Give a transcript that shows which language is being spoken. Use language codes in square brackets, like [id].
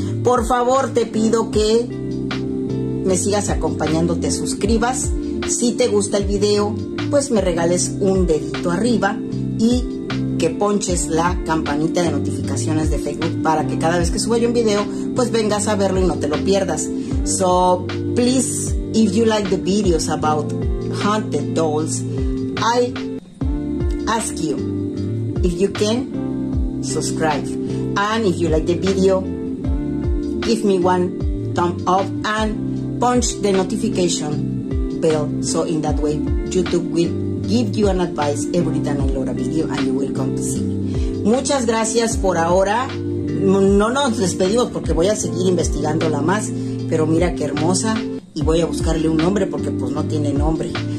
[es] Por favor, te pido que me sigas acompañando, te suscribas. Si te gusta el video, pues me regales un dedito arriba y que ponches la campanita de notificaciones de Facebook para que cada vez que suba yo un video, pues vengas a verlo y no te lo pierdas. [en] So, please, if you like the videos about haunted dolls, I ask you, if you can, subscribe. And if you like the video, give me one thumb up and punch the notification bell, so in that way YouTube will give you an advice every time I load a video and you will come to see me. [es] Muchas gracias por ahora. No nos despedimos porque voy a seguir investigándola más, pero mira qué hermosa y voy a buscarle un nombre porque pues no tiene nombre.